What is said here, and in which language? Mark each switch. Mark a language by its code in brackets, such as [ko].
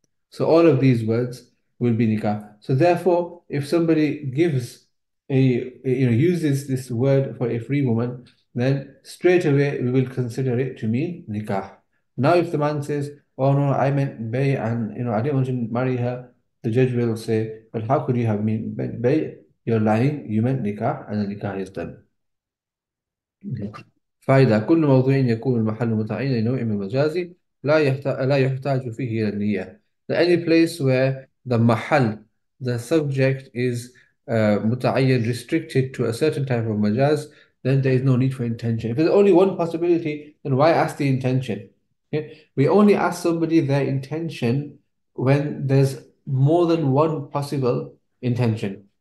[en] So all of these words will be nikah. So therefore, if somebody gives a uses this word for a free woman, then straight away we will consider it to mean nikah. Now, if the man says, "Oh no, I meant bay," and I didn't want to marry her, the judge will say, "But how could you have meant bay? You're lying. You meant nikah, and the nikah is done." [ar] فإذا كل موضوع يكون المحل متعين لنوع من المجازي لا يحتاج فيه إلى النية. [en] Any place where the mahal, the subject, is متعين, restricted to a certain type of majaz, then there is no need for intention. If there's only one possibility, then why ask the intention? Okay? We only ask somebody their intention when there's more than one possible intention.